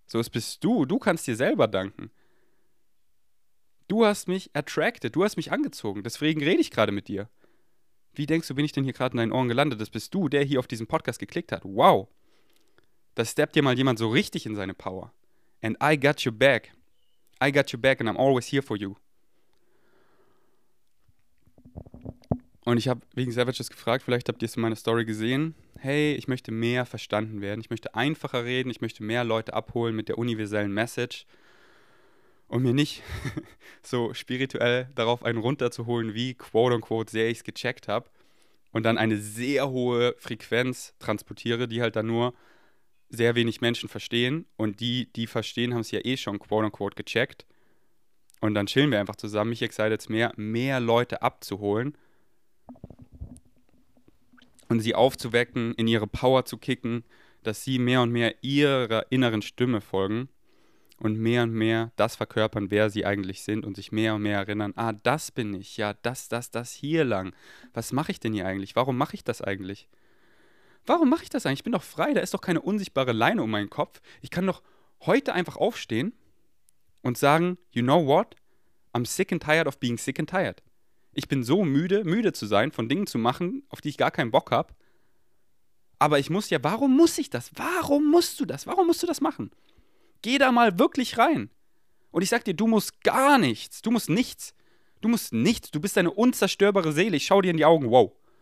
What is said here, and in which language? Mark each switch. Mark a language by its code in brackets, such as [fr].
[de] So bist du. Du kannst dir selber danken. Du hast mich attracted. Du hast mich angezogen. Deswegen rede ich gerade mit dir. Wie denkst du, bin ich denn hier gerade in deinen Ohren gelandet? Das bist du, der hier auf diesen Podcast geklickt hat. Wow. Da steppt dir mal jemand so richtig in seine Power. [en] And I got your back. I got your back and I'm always here for you. [de] Und ich habe wegen Savages gefragt, vielleicht habt ihr es in meiner Story gesehen. Hey, ich möchte mehr verstanden werden. Ich möchte einfacher reden. Ich möchte mehr Leute abholen mit der universellen Message. Und mir nicht so spirituell darauf einen runterzuholen, wie quote-unquote sehr ich es gecheckt habe. Und dann eine sehr hohe Frequenz transportiere, die halt dann nur sehr wenig Menschen verstehen. Und die, die verstehen, haben es ja eh schon quote-unquote gecheckt. Und dann chillen wir einfach zusammen. Mich excited es mehr Leute abzuholen. Und sie aufzuwecken, in ihre Power zu kicken, dass sie mehr und mehr ihrer inneren Stimme folgen und mehr das verkörpern, wer sie eigentlich sind und sich mehr und mehr erinnern, ah, das bin ich, ja, das hier lang. Was mache ich denn hier eigentlich? Warum mache ich das eigentlich? Warum mache ich das eigentlich? Ich bin doch frei, da ist doch keine unsichtbare Leine um meinen Kopf. Ich kann doch heute einfach aufstehen und sagen, [en] you know what? I'm sick and tired of being sick and tired. [de] Ich bin so müde zu sein, von Dingen zu machen, auf die ich gar keinen Bock habe. Aber ich muss ja, warum muss ich das? Warum musst du das? Warum musst du das machen? Geh da mal wirklich rein. Und ich sag dir, du musst gar nichts. Du musst nichts. Du musst nichts. Du bist eine unzerstörbare Seele. Ich schau dir in die Augen. Wow.